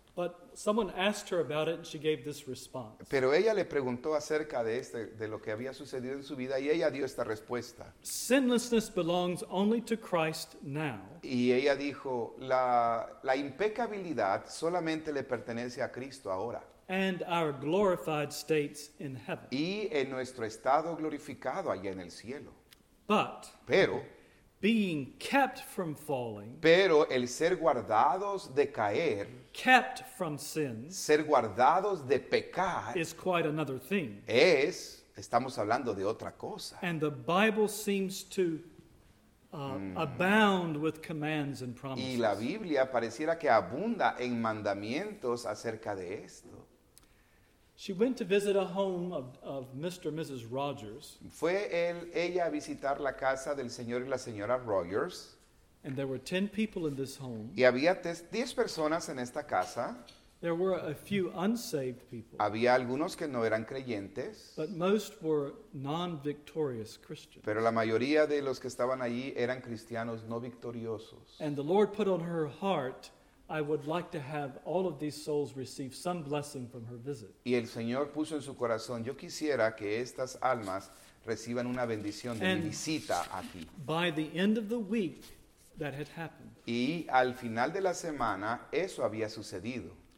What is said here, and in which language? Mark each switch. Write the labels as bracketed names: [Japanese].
[English] But someone asked her about it and she gave this response. [Spanish] Pero ella le preguntó acerca de este, de lo que había sucedido en su vida y ella dio esta respuesta. [English] Sinlessness belongs only to Christ now. [Spanish] Y ella dijo, la impecabilidad solamente le pertenece a Cristo ahora. [English] And our glorified states in heaven. [Spanish] Y en nuestro estado glorificado allá en el cielo. [English] But [Spanish] pero [English] being kept from falling, [Spanish] pero el ser guardados de caer, [English] kept from sin, [Spanish] ser guardados de pecar, [English] is quite another thing. [Spanish] Es, estamos hablando de otra cosa. [English] And the Bible seems to abound with commands and promises. [Spanish] Y la Biblia pareciera que abunda en mandamientos acerca de esto. [English] She went to visit a home of Mr. and Mrs. Rogers. [Spanish] Fue ella a visitar la casa del señor y la señora Rogers. [English] And there were 10 people in this home. [Spanish] Y había 10 personas en esta casa. [English] There were a few unsaved people. [Spanish] Había algunos que no eran creyentes. [English] But most were non-victorious Christians. [Spanish] Pero la mayoría de los que estaban allí eran cristianos no victoriosos. [English] And the Lord put on her heart, I would like to have all of these souls receive some blessing from her visit. [Spanish] Y el Señor puso en su corazón, yo quisiera que estas almas reciban una bendición de mi visita aquí. [English] By the end of the week, that had happened. [Spanish] Y al final de la semana, eso había sucedido.